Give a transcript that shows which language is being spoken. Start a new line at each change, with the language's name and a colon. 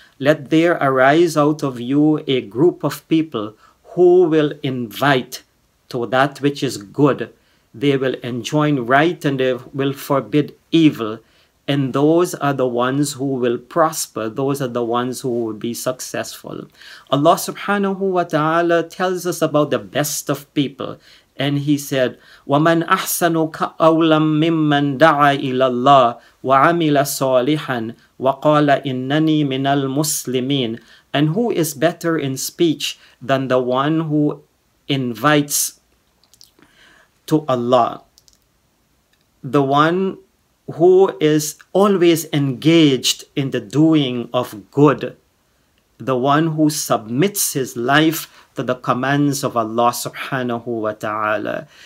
English: Let there arise out of you a group of people who will invite to that which is good. They will enjoin right and they will forbid evil. And those are the ones who will prosper. Those are the ones who will be successful. Allah subhanahu wa ta'ala tells us about the best of people. And he said,
Arabic: وَمَنْ أَحْسَنُ قَوْلًا مِمَّنْ دَعَى إِلَى اللَّهِ وَعَمِلَ صَالِحًا وَقَالَ إِنَّنِي مِنَ الْمُسْلِمِينَ.
English: And who is better in speech than the one who invites to Allah? The one who is always engaged in the doing of good. The one who submits his life to the commands of Allah subhanahu wa ta'ala.